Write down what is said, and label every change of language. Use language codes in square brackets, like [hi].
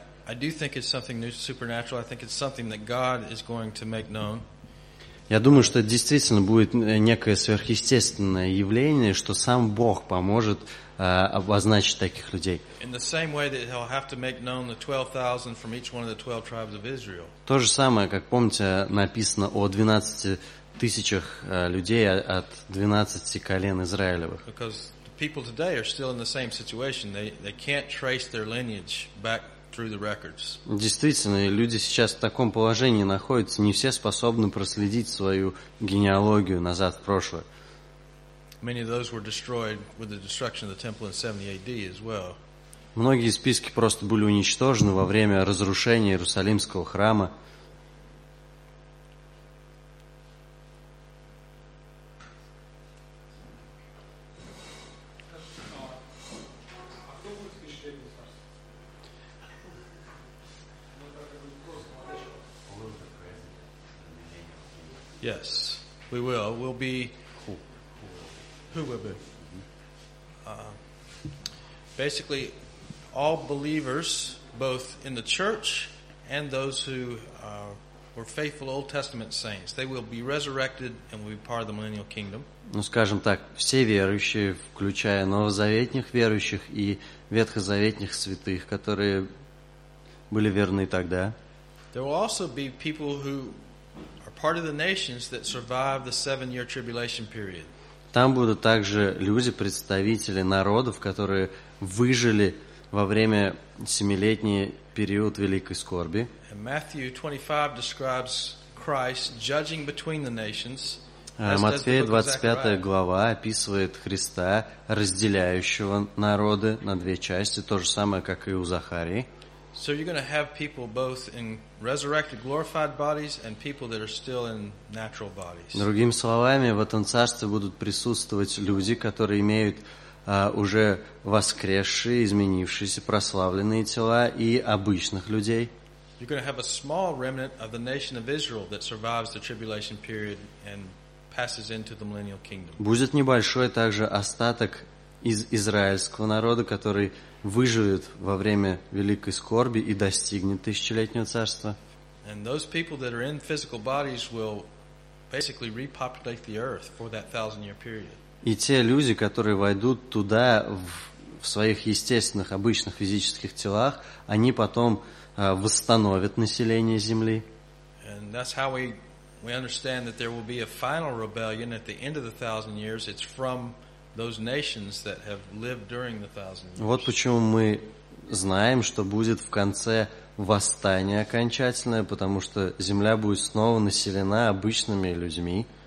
[en] I do think it's something new, supernatural. I think it's something that God is going to make known. [ru] Я думаю, что это действительно будет некое сверхъестественное явление, что сам Бог поможет обозначить таких людей. [en] In the same way that he'll have to make known the 12,000 from each one of the 12 tribes of Israel. [ru] То же самое, как помните, написано о 12 тысячах людей от 12 колен Израилевых. [en] Because the people today are still in the same situation. They can't trace their lineage back through the records. [ru] Действительно, люди сейчас в таком положении находятся, не все способны проследить свою генеалогию назад в прошлое. [en] Many of those were destroyed with the destruction of the temple in 70 AD as well. [ru] Многие списки просто были уничтожены во время разрушения Иерусалимского храма. [en] Yes, we will. We'll be... Who will be? Basically, all believers, both in the church and those who were faithful Old Testament saints, they will be resurrected and will be part of the millennial kingdom. [ru] Ну, скажем так, все верующие, включая новозаветных верующих и ветхозаветных святых, которые были верны тогда. [en] There will also be people who are part of the nations that survived the seven-year tribulation period. [ru] Там будут также люди, представители народов, которые выжили во время семилетний период Великой Скорби. [en] Matthew 25 describes Christ judging between the nations. [ru] Матфея 25 глава описывает Христа, разделяющего народы на две части, то же самое, как и у Захарии. [en] So you're going to have people both in resurrected, glorified bodies and people that are still in natural bodies. [ru] Другими словами, в этом царстве будут присутствовать люди, которые имеют уже воскресшие, изменившиеся, прославленные тела и обычных людей. [en] You're going to have a small remnant of the nation of Israel that survives the tribulation period and passes into the millennial kingdom. [ru] Будет небольшой также остаток из израильского народа, который выживет во время Великой Скорби и достигнет Тысячелетнего Царства. [en] And those people that are in physical bodies will basically repopulate the earth for that thousand-year period. [ru] И те люди, которые войдут туда в своих естественных, обычных физических телах, они потом восстановят население Земли. [en] And that's how we understand that there will be a final rebellion at the end of the thousand years. It's from those nations that have lived during the thousand years. [ru] Вот почему мы знаем, что будет в конце восстание окончательное, потому что земля будет снова населена обычными людьми.